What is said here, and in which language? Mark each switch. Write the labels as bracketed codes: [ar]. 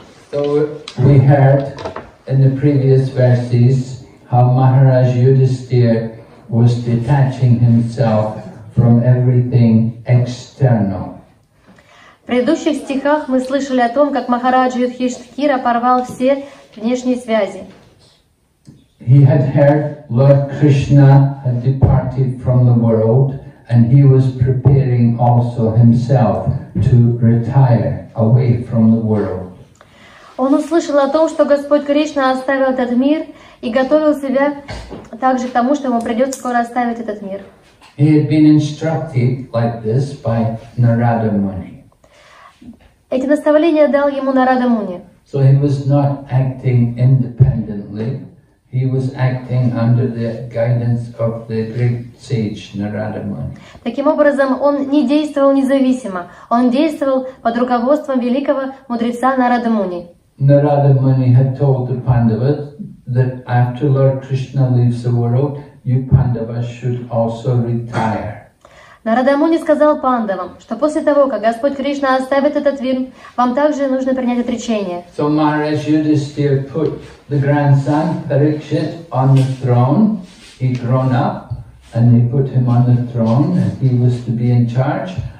[en] So we heard in the previous verses how Maharaj Yudhisthira was detaching himself from everything external. [ru] В предыдущих стихах мы слышали о том, как Махараджа Юдхиштхира порвал все внешние связи. [en] He had heard Lord Krishna had departed from the world, and he was preparing also himself to retire away from the world. [ru] Он услышал о том, что Господь Кришна оставил этот мир, и готовил себя также к тому, что ему придется скоро оставить этот мир. [en] He had been instructed like this by Narada Muni. [ru] Эти наставления дал ему Нарада Муни. [en] So he was not acting independently. He was acting under the guidance of the great sage Narada Muni. [ru] Таким образом, он не действовал независимо. Он действовал под руководством великого мудреца Нарада Муни. [en] Narada Muni had told the Pandavas that after Lord Krishna leaves the world, you Pandavas should also retire. [ru] Нарада Муни сказал Пандавам, что после того, как Господь Кришна оставит этот мир, вам также нужно принять отречение. [en] So Maharaj Yudhisthira put the grandson Parikshit on the throne. He grown up, and they put him on the throne, and he was to be in charge.